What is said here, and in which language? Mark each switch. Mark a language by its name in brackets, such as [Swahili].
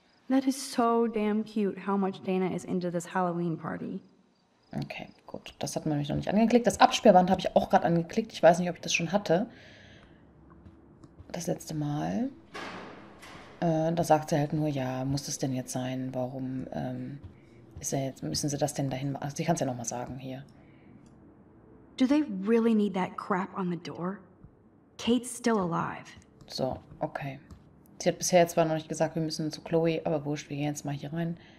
[English] That is so damn cute, how much Dana is into this Halloween party. [German] Okay, gut. Das hat man nämlich noch nicht angeklickt. Das Absperrband habe ich auch gerade angeklickt. Ich weiß nicht, ob ich das schon hatte. Das letzte Mal. Da sagt sie halt nur, ja, muss das denn jetzt sein? Warum ist er jetzt, müssen sie das denn dahin machen? Sie kann es ja nochmal sagen hier. [English] Do they really need that crap on the door? Kate's still alive. [German] So, okay. Sie hat bisher zwar noch nicht gesagt, wir müssen zu Chloe, aber wurscht, wir gehen jetzt mal hier rein.